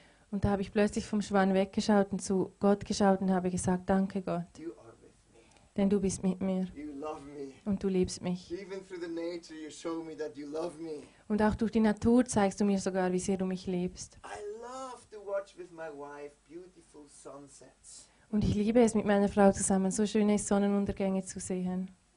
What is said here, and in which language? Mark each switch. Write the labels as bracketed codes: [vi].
[de] Und da habe ich plötzlich vom Schwan weggeschaut und zu Gott geschaut und habe gesagt, danke Gott, [en] you are with me. [de] Denn du bist mit mir [en] you love me. [de] Und du liebst mich. [en] Even through the nature you show me that you love me. [de] Und auch durch die Natur zeigst du mir sogar, wie sehr du mich liebst. [en] I love to watch with my wife beautiful sunsets. [de] Und ich liebe es, mit meiner Frau zusammen so schöne Sonnenuntergänge zu sehen.